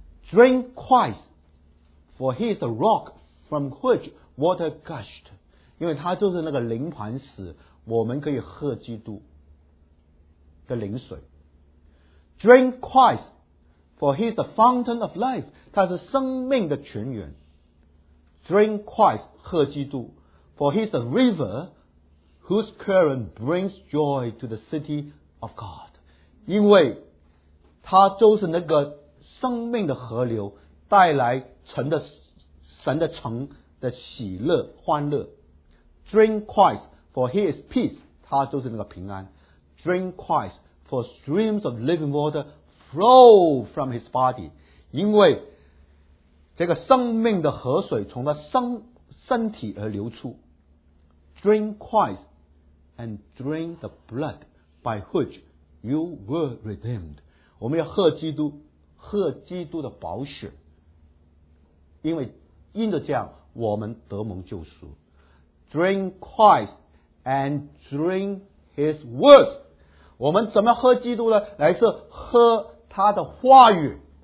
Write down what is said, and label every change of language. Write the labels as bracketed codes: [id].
[en] Drink Christ, for he is the rock from which water gushed. [zh] 因为他就是那个灵磐石，我们可以喝基督的灵水。 [en] Drink Christ, for he is the fountain of life. [zh] 他是生命的泉源。 [en] Drink Christ, [zh] 喝基督， [en] for he is the river whose current brings joy to the city of God. [zh] 因为他就是那个生命的河流，带来城的神的城的喜乐欢乐。 [en] Drink Christ, for he is peace, [zh] 他就是那个平安。 [en] Drink Christ, for streams of living water flow from his body, [zh] 因为这个生命的河水从他身体而流出。 [en] Drink Christ, and drink the blood by which you were redeemed. [zh] 我们要喝基督，喝基督的宝血，因为因着这样我们得蒙救赎。 [en] Drink Christ and drink His words. [zh] 我们怎么喝基督呢？乃是喝他的话语。